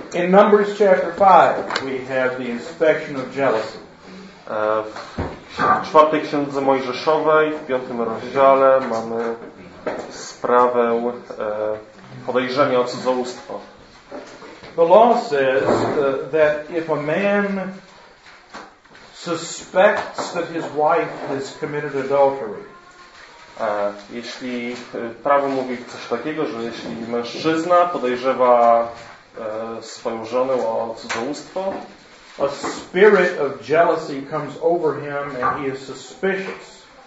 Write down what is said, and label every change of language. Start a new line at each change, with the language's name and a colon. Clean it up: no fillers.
English: In Numbers chapter 5, we have the inspection of jealousy.
Polish: W czwartej księdze Mojżeszowej, w piątym rozdziale, mamy sprawę podejrzenia o cudzołóstwo.
English: The law says that if a man suspects that his wife has committed adultery,
Polish: jeśli prawo mówi coś takiego, że jeśli mężczyzna podejrzewa swoją żonę o cudzołóstwo,
English: a spirit of jealousy comes over him and he is suspicious.